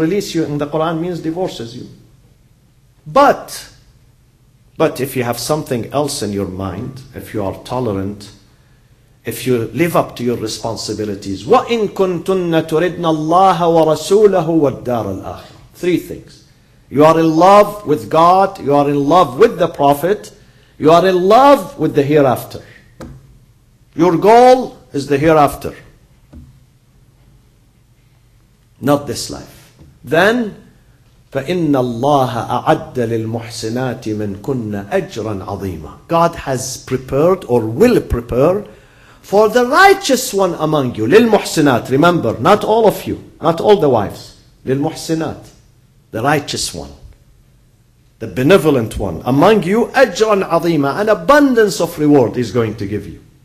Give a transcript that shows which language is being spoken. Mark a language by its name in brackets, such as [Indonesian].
[English] Release you in the Quran means divorces you. But if you have something else in your mind, if you are tolerant, if you live up to your responsibilities, [Arabic] وَإِن كُنْتُنَّ تُرِدْنَ اللَّهَ وَرَسُولَهُ وَالدَّارَ الْآخِرَةِ. [English] Three things. You are in love with God, you are in love with the Prophet, you are in love with the hereafter. Your goal is the hereafter, not this life. Then, [Arabic] فَإِنَّ اللَّهَ أَعَدَّ لِلْمُحْسِنَاتِ مِنْ كُنَّ أَجْرًا عَظِيمًا. [English] God has prepared or will prepare for the righteous one among you. [Arabic] لِلْمُحْسِنَاتِ. [English] Remember, not all of you, not all the wives. [Arabic] لِلْمُحْسِنَاتِ. [English] The righteous one, the benevolent one among you, [Arabic] أَجْرًا عَظِيمًا. [English] An abundance of reward is going to give you.